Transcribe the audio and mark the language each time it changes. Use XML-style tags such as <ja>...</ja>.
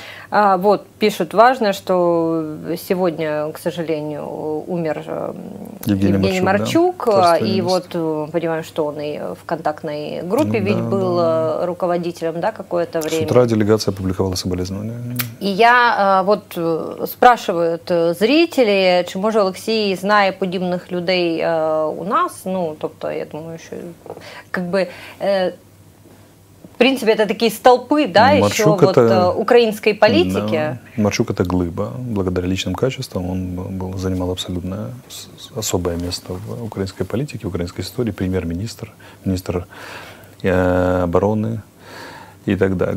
<ru>Вот, пишут, важно, что сегодня, к сожалению, умер Евгений Марчук, да, и вот понимаем, что он и в контактной группе был руководителем, да, какое-то время. С утра делегация опубликовала соболезнования. И я вот спрашивают зрители,</ru> <uk>чи може Олексій,</uk> <ru>зная</ru> <uk>подібних людей у нас, ну, тобто, я думаю, що</uk> <ru>как бы... В принципе, это такие столпы, да, Марчук еще это, вот, украинской политики. Да. Марчук это глыба. Благодаря личным качествам он занимал абсолютно особое место в украинской политике, в украинской истории. Премьер-министр, министр обороны и так далее.</ru>